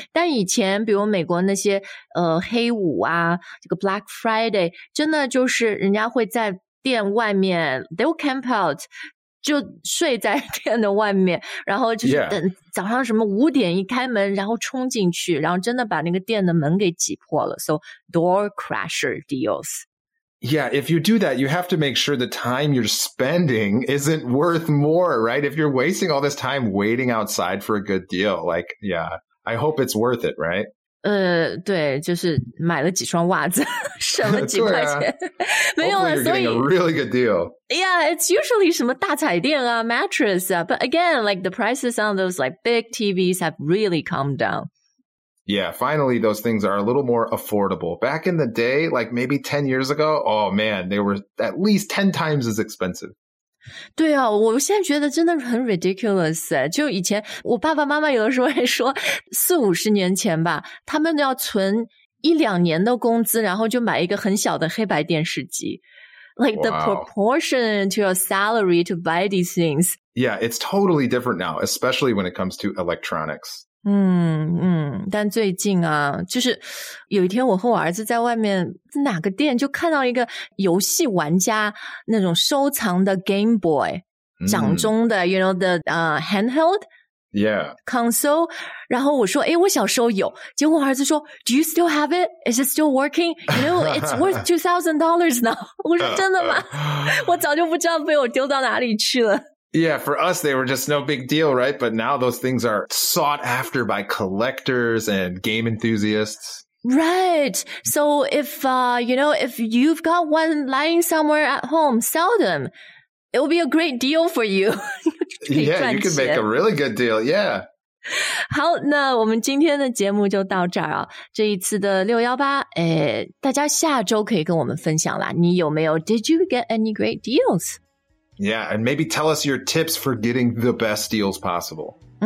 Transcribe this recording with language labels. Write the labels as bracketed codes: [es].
[zh] 但以前，比如美国那些黑五啊，这个 Black Friday， 真的就是人家会在店外面 ， [en] they'll camp out， [zh] 就睡在店的外面，然后就是等早上什么五点一开门，然后冲进去，然后真的把那个店的门给挤破了。 [en] So door crasher deals. Yeah, if you do that, you have to make sure the time you're spending isn't worth more, right? If you're wasting all this time waiting outside for a good deal, like, yeah, I hope it's worth it, right? [zh] 对，就是买了几双袜子，省了几块钱，对啊、没有了。所以 [en] a really good deal. Yeah, it's usually [zh] 什么大彩电啊 [en] mattress 啊 but again, like the prices on those like big TVs have really come down. Yeah, finally, those things are a little more affordable. Back in the day, like maybe 10 years ago, oh man, they were at least 10 times as expensive. [zh] 对啊，我现在觉得真的很 ridiculous. 就以前，我爸爸妈妈有的时候会说，四五十年前吧，他们要存一两年的工资，然后就买一个很小的黑白电视机。 [en] Like the proportion to your salary to buy these things. Yeah, it's totally different now, especially when it comes to electronics. [zh] 但最近啊就是有一天我和我儿子在外面哪个店就看到一个游戏玩家那种收藏的 Game Boy, 掌中的 [en] you know, the handheld console, [zh] 然后我说诶我小时候有结果我儿子说 [en] do you still have it? Is it still working? You know, it's worth $2,000 now. [zh] 我说真的吗我早就不知道被我丢到哪里去了。 [en] Yeah, for us, they were just no big deal, right? But now those things are sought after by collectors and game enthusiasts. Right. So if you've got one lying somewhere at home, sell them. It will be a great deal for you. Yeah, you can make a really good deal. Yeah. [zh] 好，那我们今天的节目就到这儿啊。这一次的618，大家下周可以跟我们分享啦。你有没有 [en] Did you get any great deals? Yeah, and maybe tell us your tips for getting the best deals possible.